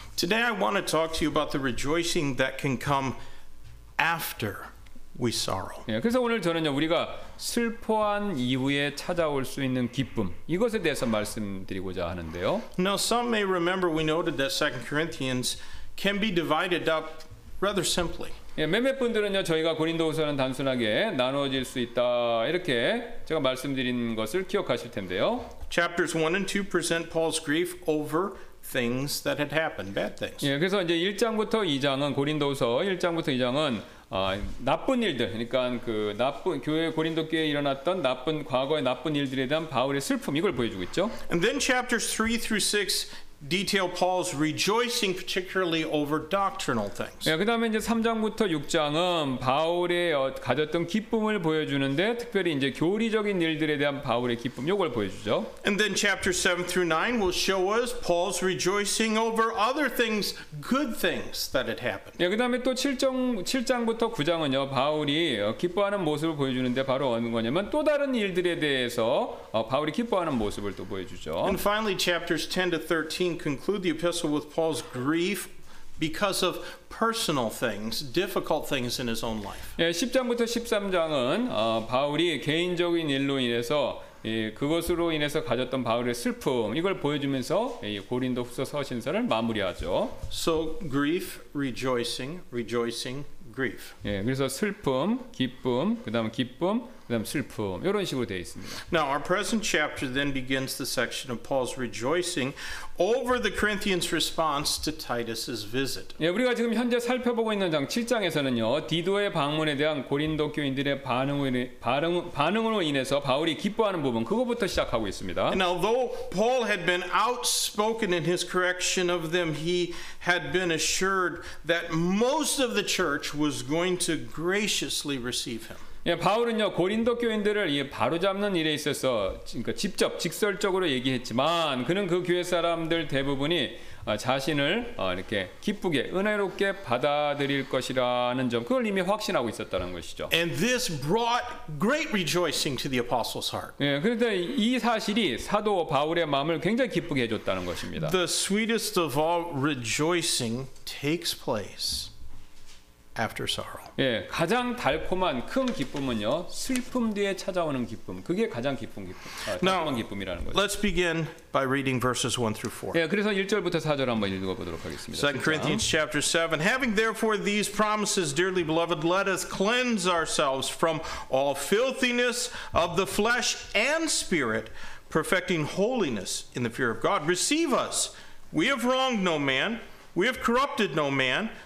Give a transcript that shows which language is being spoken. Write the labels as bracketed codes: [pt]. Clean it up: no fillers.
[en] Today I want to talk to you about the rejoicing that can come after we sorrow. [ko] 예, 그래서 오늘 저는요, 우리가 슬퍼한 이후에 찾아올 수 있는 기쁨, 이것에 대해서 말씀드리고자 하는데요. [en] Now some may remember we noted that 2 Corinthians can be divided up rather simply. [ko] 예, 몇몇 분들은요, 저희가 고린도후서는 단순하게 나누어질 수 있다, 이렇게 제가 말씀드린 것을 기억하실 텐데요. [en] Chapters 1 and 2 present Paul's grief over things that had happened, bad things. [ko] 예, 그래서 이제 1장부터 2장은 고린도후서 1장부터 2장은 나쁜 일들, 그러니까 그 나쁜 교회 고린도 교회에 일어났던 나쁜 과거의 나쁜 일들에 대한 바울의 슬픔, 이걸 보여주고 있죠. [en] And then chapters 3 through 6 detail Paul's rejoicing particularly over doctrinal things. [ko] 예, 그다음에 이제 3장부터 6장은 바울의 가졌던 기쁨을 보여주는데 특별히 이제 교리적인 일들에 대한 바울의 기쁨, 요걸 보여주죠. [en] And then chapter 7 through 9 will show us Paul's rejoicing over other things, good things that had happened. [ko] 예, 그다음에 또 7장부터 9장은요. 바울이 기뻐하는 모습을 보여주는데 바로 어느 거냐면 또 다른 일들에 대해서 바울이 기뻐하는 모습을 또 보여주죠. [en] And finally chapters 10 to 13 conclude the epistle with Paul's grief because of personal things, difficult things in his own life. [ko] 예, 10장부터 13장은 바울이 개인적인 일로 인해서 그것으로 인해서 가졌던 바울의 슬픔, 이걸 보여주면서 고린도후서 서신서를 마무리하죠. [en] So grief, rejoicing, rejoicing, grief. [ko] 예, 그래서 슬픔, 기쁨, 그다음 기쁨, 그다음 슬픔, 이런 식으로 되어 있습니다. [en] Now our present chapter then begins the section of Paul's rejoicing over the Corinthians' response to Titus's visit. [ko] 예, 우리가 지금 현재 살펴보고 있는 장 7장에서는요, 디도의 방문에 대한 고린도 교인들의 반응으로 인해서 바울이 기뻐하는 부분, 그것부터 시작하고 있습니다. [en] And although Paul had been outspoken in his correction of them, he had been assured that most of the church was going to graciously receive him. [ko] 예, 바울은요, 고린도 교인들을 바로잡는 일에 있어서 그러니까 직접 직설적으로 얘기했지만 그는 그 교회 사람들 대부분이 자신을 이렇게 기쁘게 은혜롭게 받아들일 것이라는 점, 그걸 이미 확신하고 있었다는 것이죠. [en] And this brought great rejoicing to the apostle's heart. [ko] 예, 그런데 이 사실이 사도 바울의 마음을 굉장히 기쁘게 해줬다는 것입니다. [en] The sweetest of all rejoicing takes place after sorrow. [ko] 예, 가장 달콤한 큰 기쁨은요, 슬픔 뒤에 찾아오는 기쁨. 그게 가장 기쁜 기쁨. 달콤한 기쁨이라는 거죠. [en] Let's begin by reading verses 1 through 4. [ko] 예, 그래서 1절부터 4절 한번 읽어 보도록 하겠습니다. [en] 2 Corinthians chapter 7. Having therefore these promises, dearly beloved, let us cleanse ourselves from all filthiness of the flesh and spirit, perfecting holiness in the fear of God. Receive us. We have wronged no man. We have corrupted no man.